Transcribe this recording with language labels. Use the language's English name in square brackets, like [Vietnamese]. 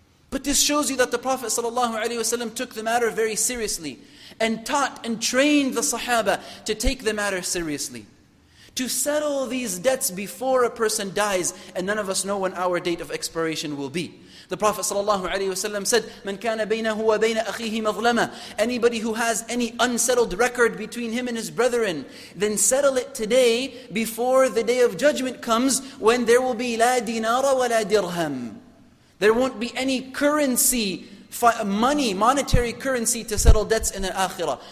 [English] But this shows you that the Prophet ﷺ took the matter very seriously and taught and trained the Sahaba to take the matter seriously. To settle these debts before a person dies, and none of us know when our date of expiration will be. The Prophet ﷺ said, [Arabic] مَنْ كَانَ بَيْنَهُ وَبَيْنَ أَخِيهِ مَظْلَمًا. [English] Anybody who has any unsettled record between him and his brethren, then settle it today before the day of judgment comes, when there will be [Arabic] لَا دِنَارَ وَلَا [English] dirham. There won't be any currency, money, monetary currency to settle debts in the akhirah.